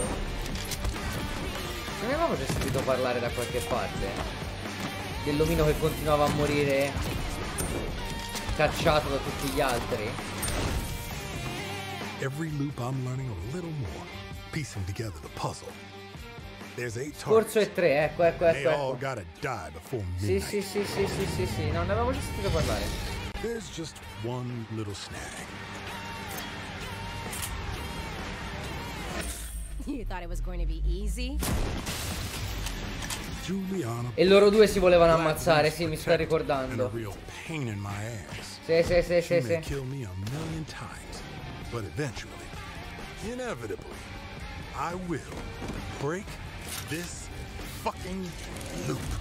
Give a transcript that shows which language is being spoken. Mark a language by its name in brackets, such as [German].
[Italian] Non avevamo già sentito parlare da qualche parte dell'omino che continuava a morire cacciato da tutti gli altri. [English] Every loop I'm learning a little more, piecing together the puzzle. There's eight targets. [Italian] Corso e tre, ecco. [English] They all gotta die before midnight. [Italian] Sì. Non ne avevo già sentito parlare. [English] There's just one little snag. You thought it was going to be easy? [Italian] Giuliano. E loro due si volevano ammazzare, sì, mi sto ricordando. [English] A real pain in my ass. [Italian] Sì. [English] Kill me a million times, but eventually, inevitably, I will break this fucking loop.